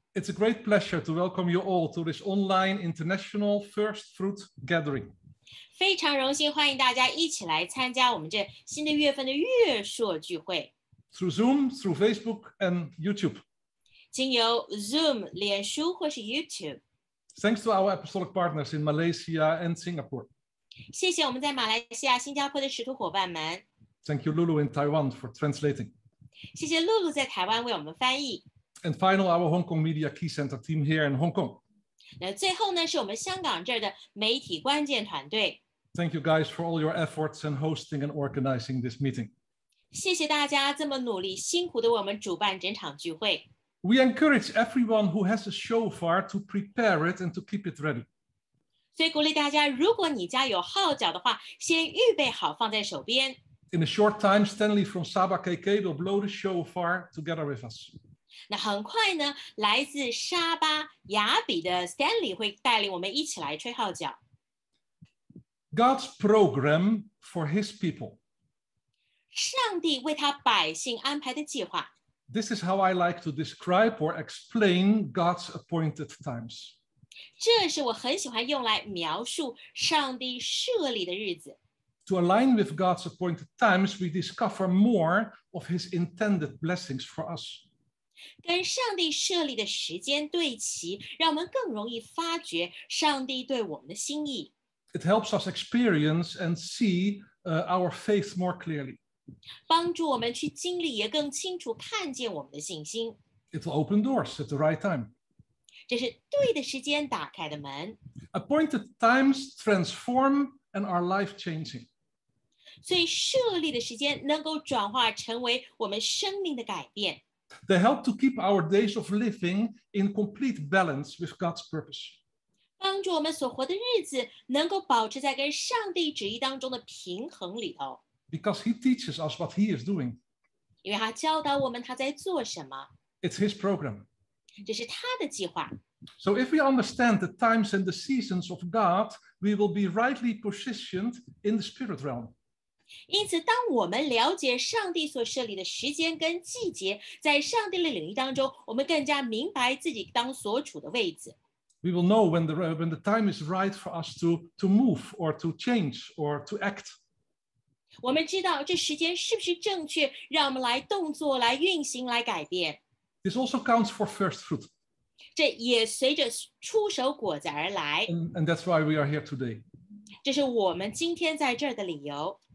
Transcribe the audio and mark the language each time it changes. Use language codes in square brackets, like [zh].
[en] It's a great pleasure to welcome you all to this online international first fruit gathering. [zh] 非常荣幸欢迎大家一起来参加我们这新的月份的月朔聚会。 [en] Through Zoom, through Facebook, and YouTube. [zh] 经由 Zoom、脸书或是 YouTube. [en] Thanks to our apostolic partners in Malaysia and Singapore. [zh] 谢谢我们在马来西亚、新加坡的使徒伙伴们。 [en] Thank you, Lulu in Taiwan for translating. [zh] 谢谢 Lulu 在台湾为我们翻译。 [en] And final, our Hong Kong Media Key Center team here in Hong Kong. [zh] 那最后呢，是我们香港这儿的媒体关键团队。 [en] Thank you, guys, for all your efforts in hosting and organizing this meeting. [zh] 谢谢大家这么努力、辛苦的为我们主办整场聚会。 [en] We encourage everyone who has a shofar to prepare it and to keep it ready. [zh] 所以鼓励大家，如果你家有号角的话，先预备好放在手边。 [en] In a short time, Stanley from Sabah KK will blow the shofar together with us. [zh] 那很快呢，来自沙巴雅比的 Stanley 会带领我们一起来吹号角。 [en] God's program for His people. [zh] 上帝为他百姓安排的计划。 [en] This is how I like to describe or explain God's appointed times. [zh] 这是我很喜欢用来描述上帝设立的日子。 [en] To align with God's appointed times, we discover more of His intended blessings for us. [zh] 跟上帝设立的时间对齐，让我们更容易发掘上帝对我们的心意。 [en] It helps us experience and see our faith more clearly. [zh] 帮助我们去经历，也更清楚看见我们的信心。 [en] It will open doors at the right time. [zh] 这是对的时间打开的门。 [en] Appointed times transform and are life-changing. [zh] 所以设立的时间能够转化成为我们生命的改变。 [en] They help to keep our days of living in complete balance with God's purpose. [zh] 帮助我们所活的日子能够保持在跟上帝旨意当中的平衡里头。 [en] Because he teaches us what he is doing. [zh] 因为他教导我们他在做什么。 [en] It's his program. [zh] 这是他的计划。 [en] So if we understand the times and the seasons of God, we will be rightly positioned in the spirit realm. [zh] 因此当我们了解上帝所设立的时间跟季节，在上帝的领域当中，我们更加明白自己当所处的位置。 [en] We will know when the time is right for us to move or to change or to act. [zh] 我们知道这时间是不是正确，让我们来动作、来运行、来改变。 [en] This also counts for first fruit. [zh] 这也随着出手果子而来。 [en] And that's why we are here today. [zh] 这是我们今天在这儿的理由。